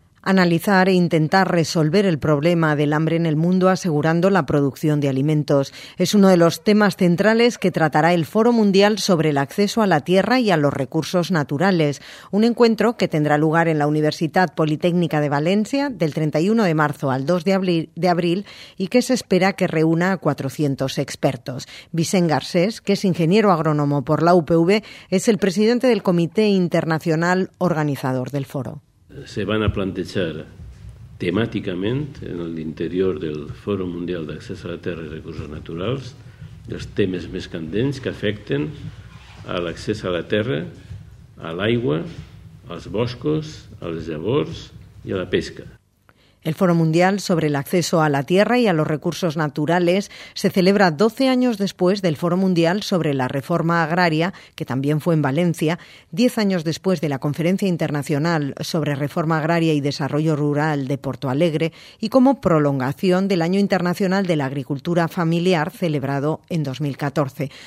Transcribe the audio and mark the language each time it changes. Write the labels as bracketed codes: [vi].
[es] Analizar e intentar resolver el problema del hambre en el mundo asegurando la producción de alimentos es uno de los temas centrales que tratará el Foro Mundial sobre el acceso a la tierra y a los recursos naturales, un encuentro que tendrá lugar en la Universitat Politécnica de València del 31 de marzo al 2 de abril y que se espera que reúna a 400 expertos. Vicent Garcés, que es ingeniero agrónomo por la UPV, es el presidente del Comité Internacional Organizador del Foro. [ca] Se van a plantejar temàticament en l'interior del Fòrum Mundial d'Accés a la Terra i Recursos Naturals els temes més candents que afecten a l'accés a la terra, a l'aigua, als boscos, als llavors i a la pesca. [es] El Foro Mundial sobre el acceso a la tierra y a los recursos naturales se celebra 12 años después del Foro Mundial sobre la reforma agraria, que también fue en Valencia, 10 años después de la Conferencia Internacional sobre Reforma Agraria y Desarrollo Rural de Porto Alegre y como prolongación del Año Internacional de la Agricultura Familiar celebrado en 2014.